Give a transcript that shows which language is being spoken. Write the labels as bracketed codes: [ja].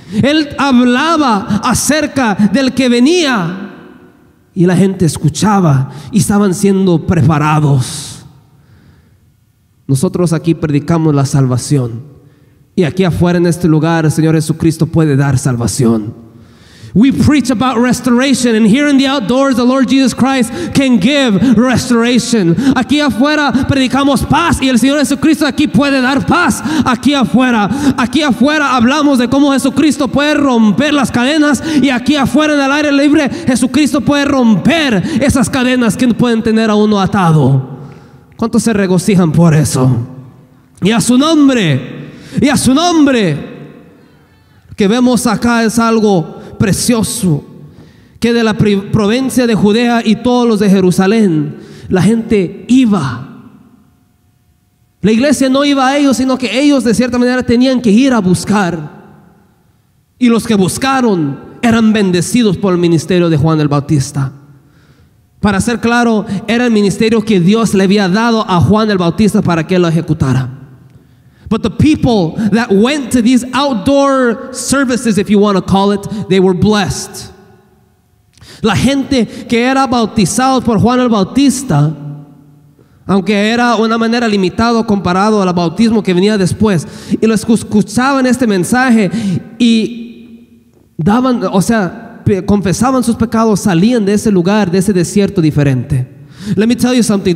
[es] Él hablaba acerca del que venía, y la gente escuchaba y estaban siendo preparados. Nosotros aquí predicamos la salvación, y aquí afuera en este lugar el Señor Jesucristo puede dar salvación. [en] We preach about restoration, and here in the outdoors the Lord Jesus Christ can give restoration. [es] Aquí afuera predicamos paz, y el Señor Jesucristo aquí puede dar paz. Aquí afuera hablamos de cómo Jesucristo puede romper las cadenas, y aquí afuera en el aire libre Jesucristo puede romper esas cadenas que pueden tener a uno atado. ¿Cuántos se regocijan por eso? Y a su nombre, lo que vemos acá es algo precioso, que de la provincia de Judea y todos los de Jerusalén, la gente iba. La iglesia no iba a ellos, sino que ellos de cierta manera tenían que ir a buscar. Y los que buscaron eran bendecidos por el ministerio de Juan el Bautista. Para ser claro, era el ministerio que Dios le había dado a Juan el Bautista para que lo ejecutara. [en] But the people that went to these outdoor services, if you want to call it, they were blessed. [es] La gente que era bautizado por Juan el Bautista, aunque era una manera limitada comparado al bautismo que venía después, y los escuchaban este mensaje y daban, o sea, confesaban sus pecados, salían de ese lugar, de ese desierto diferente. [en] Let me tell you something.